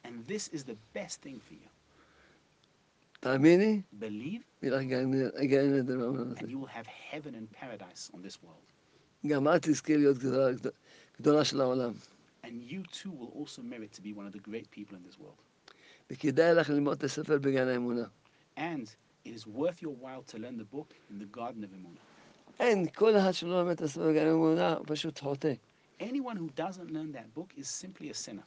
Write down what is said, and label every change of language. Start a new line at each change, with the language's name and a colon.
English: And this is the best thing for you.
Hebrew: תאמיני?
English: Believe? And you will have heaven and paradise on this world.
Hebrew: גם את תזכה להיות גדולה של העולם.
English: And you too will also merit to be one of the great people in this world.
Hebrew: וכדאי לך ללמוד את הספר בגן האמונה.
English: And it is worth your while to learn the book in the Garden of Emunah.
Hebrew: אין, כל אחד שלא לומד את הספר בגן האמונה פשוט חוטא.
English: Anyone who doesn't learn that book is simply a sinner.